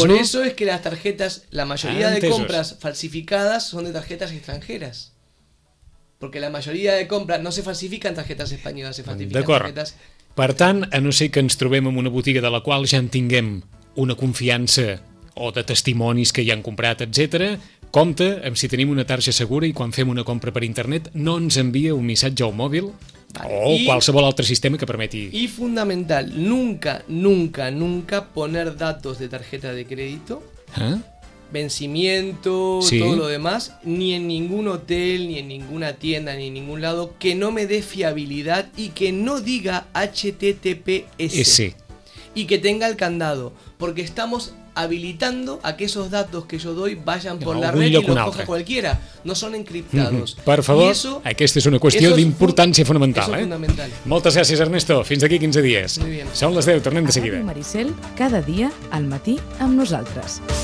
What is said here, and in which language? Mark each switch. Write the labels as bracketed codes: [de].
[es] Por no. Por eso es que las tarjetas, la mayoría de compras falsificadas son de tarjetas extranjeras. Porque la mayoría de compras no se falsifican tarjetas españolas, se falsifican [ca] d'acord. [es] tarjetas... [ca] Per tant, a no ser que ens trobem en una botiga de la qual ja en tinguem una confiança o de testimonis que hi han comprat, etc., compte amb si tenim una targeta segura i quan fem una compra per internet no ens envia un missatge al mòbil... O qualsevol altre sistema que permeti... [es] I fundamental, nunca, nunca, nunca poner datos de tarjeta de crédito, vencimiento, sí. todo lo demás, ni en ningún hotel, ni en ninguna tienda, ni en ningún lado, que no me dé fiabilidad y que no diga HTTPS. Ese. Y que tenga el candado, porque estamos habilitando a que esos datos que yo doy vayan por la red y los coja cualquiera. No son encriptados. Mm-hmm. [ca] Per favor, eso, aquesta és una qüestió d'importància fonamental. [es] Eso es fundamental. [ca] Moltes gràcies, Ernesto. Fins d'aquí 15 dies. [es] Muy bien. [ca] Són les 10, tornem de seguida. Maricel, cada dia, al matí, amb nosaltres.